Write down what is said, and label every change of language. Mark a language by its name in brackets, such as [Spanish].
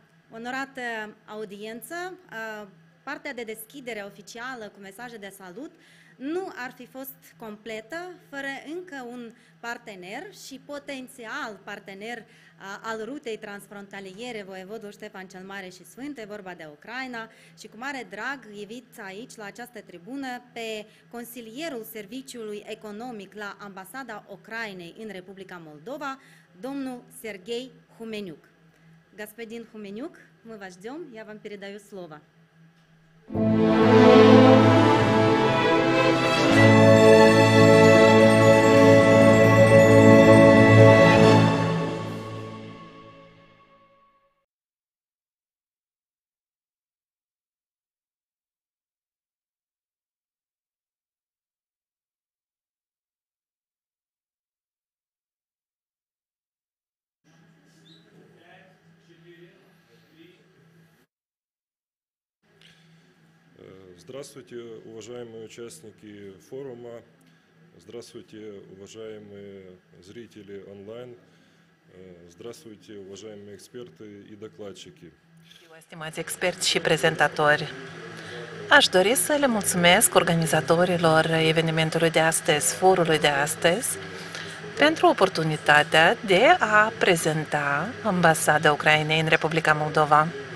[Romanian] Onorată audiență, partea de deschidere oficială cu mesaje de salut nu ar fi fost completă fără încă un partener și potențial partener al rutei transfrontaliere Voievodul Ștefan cel Mare și Sfânt, e vorba de Ucraina, și cu mare drag invit aici la această tribună pe consilierul Serviciului Economic la Ambasada Ucrainei în Republica Moldova, domnul Serghei Humeniuc. [Russian] Господин Хуменюк, мы вас ждем, я вам передаю слово. Здравствуйте, уважаемые участники форума. Здравствуйте, уважаемые зрители онлайн. Здравствуйте, уважаемые эксперты и докладчики. [Romanian] Stimați experți și prezentatori, aș dori să le mulțumesc organizatorilor evenimentului de astăzi, forului de astăzi, pentru oportunitatea de a prezenta Ambasada Ucrainei în Republica Moldova.